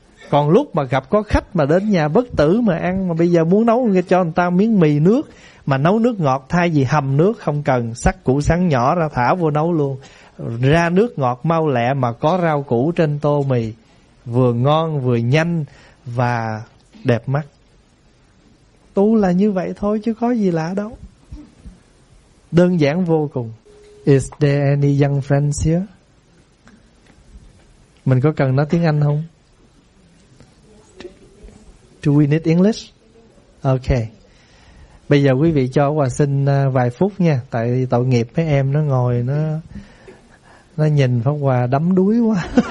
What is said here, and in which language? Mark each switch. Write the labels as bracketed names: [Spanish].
[Vietnamese] Còn lúc mà gặp có khách mà đến nhà bất tử mà ăn, mà bây giờ muốn nấu cho người ta miếng mì nước, mà nấu nước ngọt thay vì hầm nước không cần, sắc củ sắn nhỏ ra thả vô nấu luôn. Ra nước ngọt mau lẹ mà có rau củ trên tô mì, vừa ngon vừa nhanh và đẹp mắt. Tu là như vậy thôi chứ có gì lạ đâu. Đơn giản vô cùng. [English] Is there any young friends here? [Vietnamese] Mình có cần nói tiếng Anh không? [English] Do we need English? Ok. [Vietnamese] Bây giờ quý vị cho Hòa xin vài phút nha. Tại tội nghiệp mấy em nó ngồi nó nhìn Pháp Hòa đắm đuối quá.